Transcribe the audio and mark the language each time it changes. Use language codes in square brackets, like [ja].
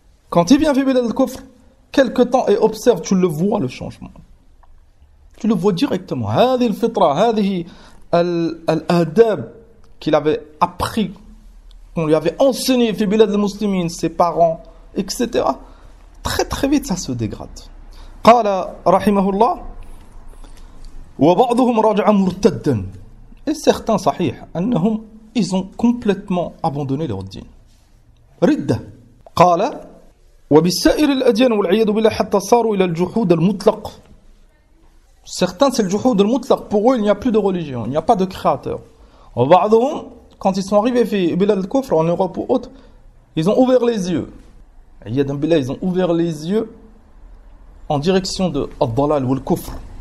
[fr] Quand il vient [ar] fi bilad al-kufr, [fr] quelque temps et observe, tu le vois le changement. Tu le vois directement. [ar] Hadhihi al-fitra, hadhihi al-adab [fr] qu'il avait appris, qu'on lui avait enseigné fi bilad al-muslimin, ses parents, etc. Très très vite ça se dégrade. [ar] قال رحمه الله وبعضهم رجع مرتدا. [fr] Et certains [ar] صحيح انهم [fr] ils ont complètement abandonné leur din. [ar] رده. قال وبسائر الاديان والعياذ بالله حتى صاروا الى الجحود المطلق. [fr] Certains c'est le juhud al-mutlaq, pour eux il n'y a plus de religion, il n'y a pas de créateur. وبعضهم, quand ils sont arrivés [ar] fi bilad al-kufr [fr] en Europe ou autre, ils ont ouvert les yeux. Ils ont ouvert les yeux en direction de Ad-Dalal ou Al-Kufr.